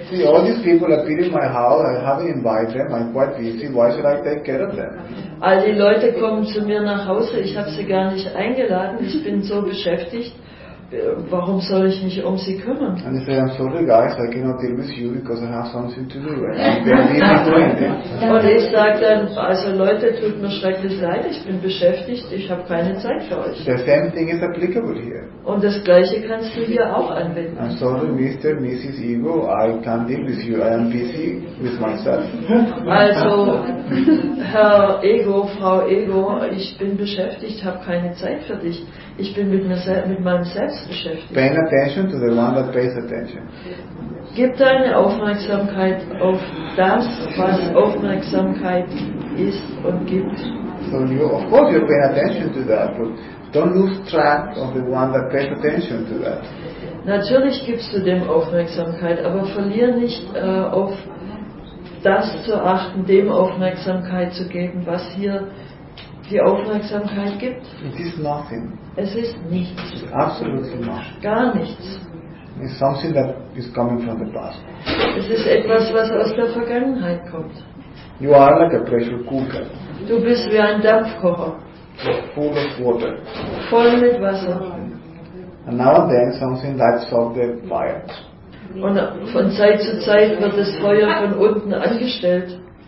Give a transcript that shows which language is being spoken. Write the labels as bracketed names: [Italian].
[English] See, all these people appear in my house, I haven't invited them, I'm quite busy, why should I take care of them? [German] All die Leute kommen zu mir nach Hause, ich habe sie gar nicht eingeladen, ich bin so beschäftigt. Warum soll ich mich um sie kümmern? [English] And they say, I'm sorry guys, I cannot deal with you because I have something to do. [German] Und ich sage dann, also Leute, tut mir schrecklich leid, ich bin beschäftigt, ich habe keine Zeit für euch. [English] The same thing is applicable here. [German] Und das gleiche kannst du hier auch anwenden. [English] I'm sorry Mr. Mrs. Ego, I can't deal with you, I am busy with myself. [German] Also, Herr Ego, Frau Ego, ich bin beschäftigt, habe keine Zeit für dich. Ich bin mit meinem Selbst beschäftigt. [English] Paying attention to the one that pays attention. [German] Gib deine Aufmerksamkeit auf das, was Aufmerksamkeit ist und gibt. [English] So you, of course you're paying attention to that, but don't lose track of the one that pays attention to that. [German] Natürlich gibst du dem Aufmerksamkeit, aber verlier nicht auf das zu achten, dem Aufmerksamkeit zu geben, was hier die Aufmerksamkeit gibt. [English] It is nothing. [German] Es ist nichts. [English] It's absolutely nothing. [German] Gar nichts. [English] It's something that is coming from the past. [German] Es ist etwas, was aus der Vergangenheit kommt. [English] You are like a pressure cooker. [German] Du bist wie ein Dampfkocher. [English] Full of water. [German] Voll mit Wasser. [English] And now and then something lights up the fire. [German] Und von Zeit zu Zeit wird das Feuer von unten angestellt.